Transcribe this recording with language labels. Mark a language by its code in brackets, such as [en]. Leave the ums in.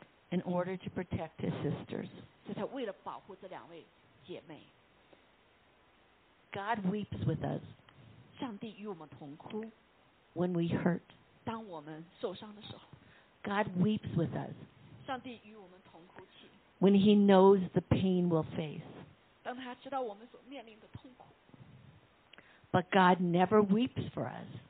[en] In order to protect his sisters， [zh] 所以他为了保护这两位姐妹 [en] ，God weeps with us， [zh] 上帝与我们同哭。 [en] When we hurt， [zh] 当我们受伤的时候 [en] ，God weeps with us， [zh] 上帝与我们同哭泣。 [en] When he knows the pain we'll face， [zh] 当他知道我们所面临的痛苦。 [en] but God never weeps for us.